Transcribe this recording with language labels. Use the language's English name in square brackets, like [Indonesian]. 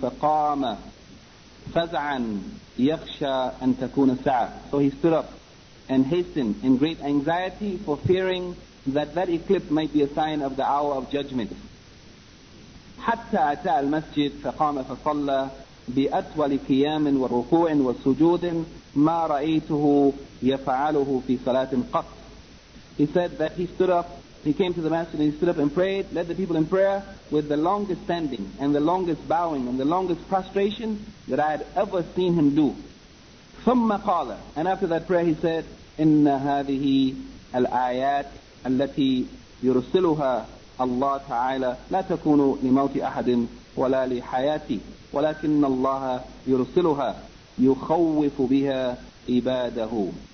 [Arabic] فقام فزعا يخشى أن تكون الساعة. [English] So he stood up and hastened in great anxiety for fearing that that eclipse might be a sign of the hour of judgment. [Arabic] حتى أتى المسجد فقام فصلى بأطول قيام وركوع وسجود ما رأيته يفعله في صلاة قط. [English] He said that he stood up, he came to the masjid and he stood up and prayed, led the people in prayer with the longest standing and the longest bowing and the longest prostration that I had ever seen him do. [Arabic] ثُمَّ قَالَ. [English] And after that prayer he said, [Arabic] إِنَّ هَذِهِ الْآيَاتِ الَّتِي يُرْسِلُهَا اللَّهُ تَعَالَى لَا تَكُونُ لِمَوْتِ أَحَدٍ وَلَا لِحَيَاتِي وَلَكِنَّ اللَّهَ يُرْسِلُهَا يُخَوِّفُ بِهَا عِبَادَهُ.